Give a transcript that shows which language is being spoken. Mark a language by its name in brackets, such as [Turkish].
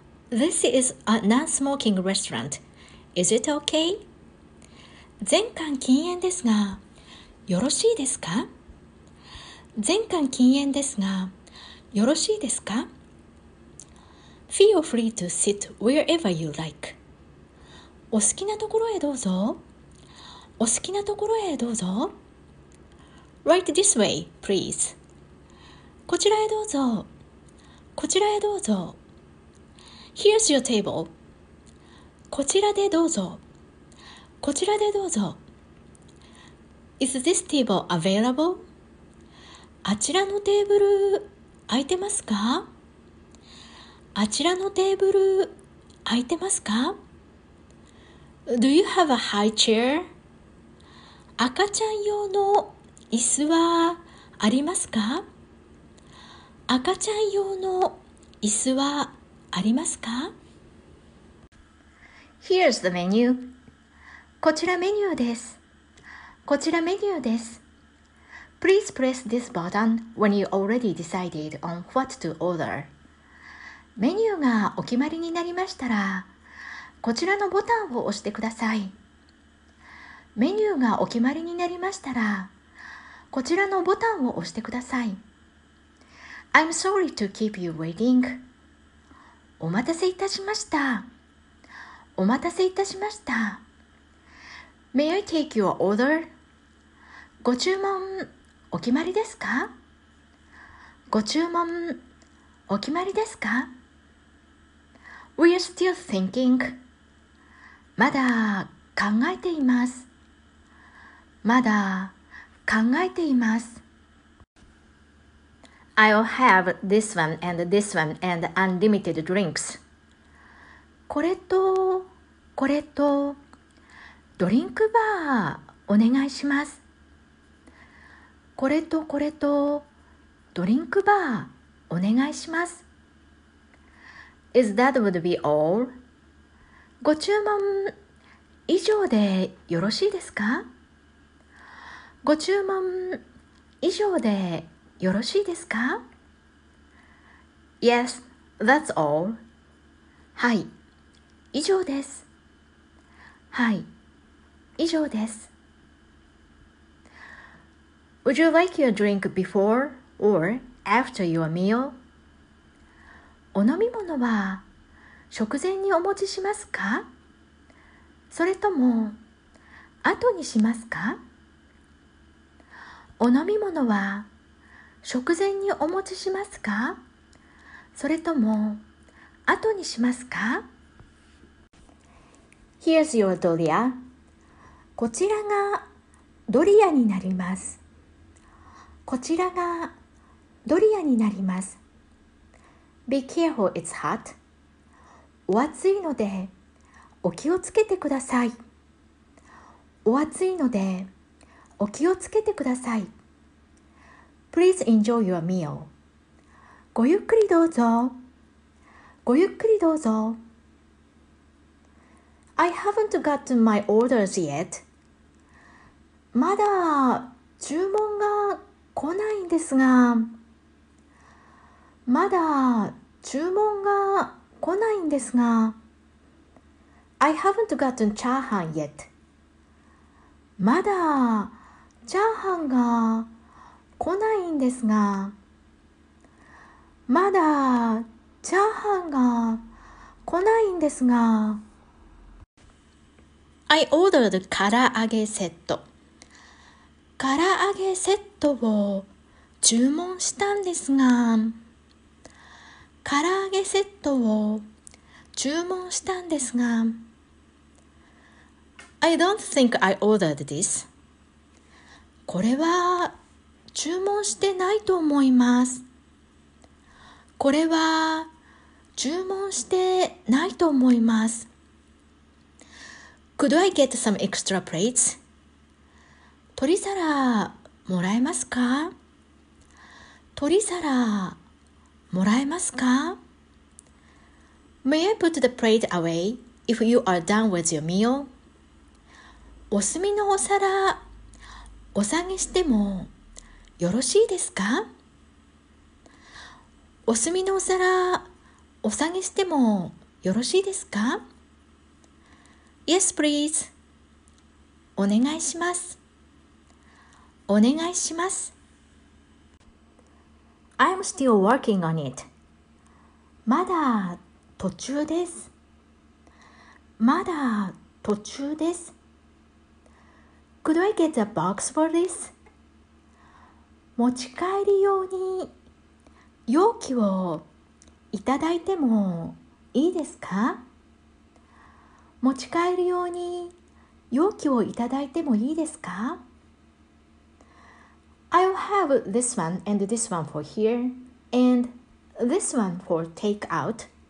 [English] This is a non-smoking restaurant. Is it okay? [Japanese] 全館禁煙ですが、よろしいですか? 全館禁煙ですが、よろしいですか? [English] Feel free to sit wherever you like. [Japanese] お好きなところへどうぞ。お好きなところへどうぞ。 [English] Right this way, please. [Japanese] こちらへどうぞ。こちらへどうぞ。 [English] Here's your table. [Japanese] こちらでどうぞ。こちらでどうぞ。 [English] Is this table available? [Japanese] あちらのテーブル、空いてますか?あちらのテーブル、空いてますか? [English] Do you have a high chair? [Japanese] 赤ちゃん用の椅子はありますか? 赤ちゃん用の椅子はありますか? [English] Here's the menu. [Japanese] こちらメニューです。こちらメニューです。 [English] Please press this button when you already decided on what to order. [Japanese] メニューがお決まりになりましたら、こちらのボタンを押してください。メニューがお決まりになりましたら、こちらのボタンを押してください。 [English] I'm sorry to keep you waiting. [Japanese] お待たせいたしました。お待たせいたしました。 [English] May I take your order? [Japanese] ご注文、お決まりですか?ご注文、お決まりですか? [English] We are still thinking. [Japanese] まだ考えています。まだ考えています。 [English] I'll have this one and this one and unlimited drinks. [Japanese] これと、これと、ドリンクバーお願いします。これとこれとドリンクバーお願いします。 [English] Is that would be all? [Japanese] ご注文以上でよろしいですか? ご注文以上でよろしいですか? [English] Yes, that's all. [Japanese] はい、以上です。はい。以上です。 [English] Would you like your drink before or after your meal? [Japanese] お飲み物は食前にお持ちしますか？それとも後にしますか？お飲み物は食前にお持ちしますか？それとも後にしますか？ [English] Here's your ドリア。 [Japanese] こちらがドリアになります。こちらがドリアになります。 [English] Be careful, it's hot. [Japanese] お暑いのでお気をつけてください。お暑いのでお気をつけてください。 [English] Please enjoy your meal. [Japanese] ごゆっくりどうぞ。ごゆっくりどうぞ。 [English] I haven't gotten my orders yet. [Japanese] まだ注文が来ないんですが。まだ注文が来ないんですが。 [English] I haven't gotten chahan yet. [Japanese] まだチャーハンが来ないんですが。まだチャーハンが来ないんですが。 [English] I ordered 唐揚げセット。 [Japanese] 唐揚げセットを注文したんですが。唐揚げセットを注文したんですが。 [English] I don't think I ordered this. [Japanese] これは注文してないと思います。これは注文してないと思います。 [English] Could I get some extra plates? [Japanese] 取り皿もらえますか？取り皿もらえますか？ [English] May I put the plate away if you are done with your meal? [Japanese] お済みのお皿、お下げしてもよろしいですか？お済みのお皿、お下げしてもよろしいですか？ [English] Yes, please. [Japanese] お願いします。お願いします。 [English] I'm still working on it. [Japanese] まだ途中です。まだ途中です。 [English] Could I get a box for this? [Japanese] 持ち帰り用に容器をいただいてもいいですか？持ち帰り用に容器をいただいてもいいですか？ [English] I'll have this one and this one for here and this one for take out.